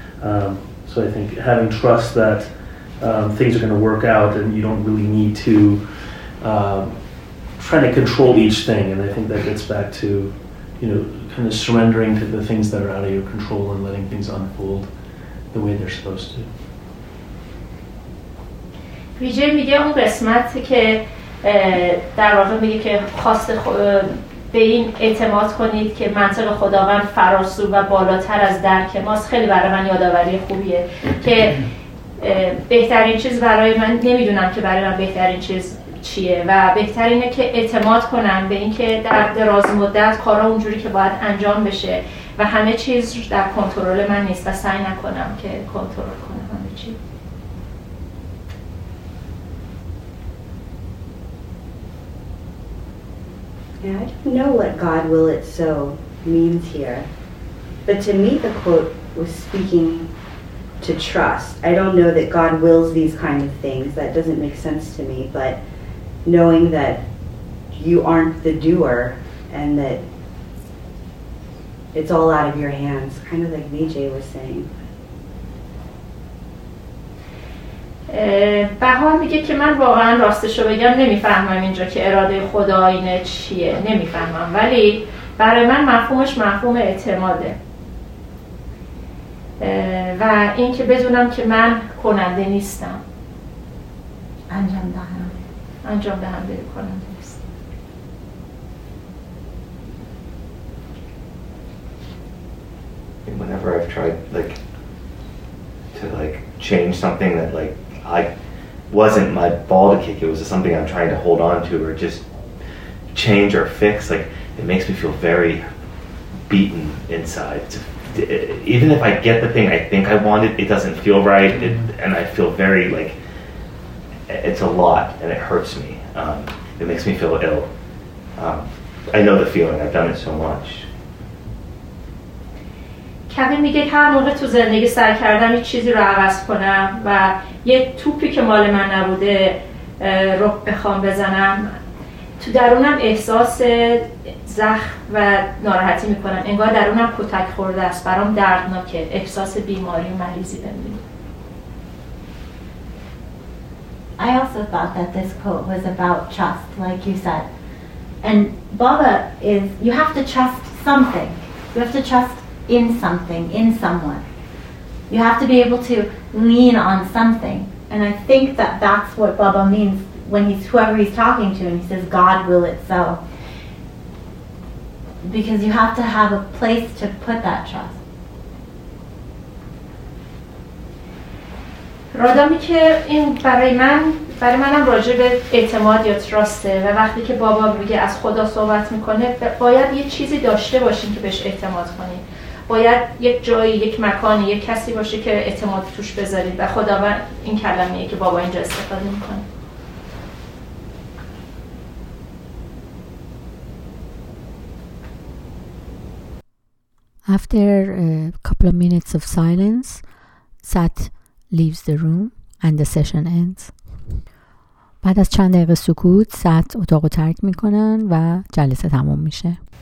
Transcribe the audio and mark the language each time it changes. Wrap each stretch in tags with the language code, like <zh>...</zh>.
<en>So I think having trust that things are going to work out and you don't really need to try to control each thing, and I think that gets back to, you know, kind of surrendering to the things that are out of your control and letting things unfold the way they're supposed to.</en> <fa>ویژه میگه اون قسمت که در واقع میگه که خواست به این اعتماد کنید که منطق خداوند فراسو و بالاتر از درک ماست، خیلی برای من یادآوری خوبیه که بهترین چیز برای من، نمیدونم که برای من بهترین چیز چیه، و بهتر اینه که اعتماد کنم به اینکه در دراز مدت کارا اونجوری که باید انجام بشه و همه چیز در کنترل من نیست و سعی نکنم که کنترل کنم همه چیز.</fa> <en>Yeah, I don't know what God will it so means here, but to me the quote was speaking to trust. I don't know that God wills these kind of things, that doesn't make sense to me, but knowing that you aren't the doer and that it's all out of your hands, kind of like Vijay was saying.</en> <fa>بهار میگه که من واقعا راستش رو بگم نمیفهمم اینجا که اراده خدا اینه چیه، نمیفهمم، ولی برای من مفهومش مفهوم اعتماده و این که بدونم که من کننده نیستم، انجام دهم انجام به هم بده کنم درست.</fa> <en>Whenever I've tried like to like change something that like I wasn't my ball to kick, it was something I'm trying to hold on to or just change or fix, like it makes me feel very beaten inside. Even if I get the thing I think I wanted, it doesn't feel right, and I feel very like it's a lot and it hurts me. It makes me feel ill. I know the feeling, I've done it so much.</en> <fa>کوین میگه هر موقع تو زندگی سعی کردم یه چیزی رو عوض کنم و یه توپی که مال من نبوده رو بخوام بزنم، تو درونم احساس زخم و ناراحتی میکنم، انگار درونم کتک خورده است، برام دردناکه، احساس بیماری و مریضی بهم میده.</fa> <en>I also thought that this quote was about trust, like you said. And Baba is, you have to trust something. You have to trust in something, in someone. You have to be able to lean on something. And I think that that's what Baba means when he's, whoever he's talking to, and he says, God will it so. Because you have to have a place to put that trust.</en> <fa>رادامی که این برای منم راجع به اعتماد یا تراسته، و وقتی که بابا میگه از خدا صحبت میکنه، باید یه چیزی داشته باشین که بهش اعتماد کنین، باید یک جایی، یک مکانی، یک کسی باشه که اعتماد توش بذارید، و خداوند این کلمه‌ایه که بابا اینجا استفاده میکنه.</fa> <en>After a couple of minutes of silence, sat leaves the room and the session ends.</en> <fa>بعد از چند دقیقه سکوت، سات اتاقو ترک میکنن و جلسه تموم میشه.</fa>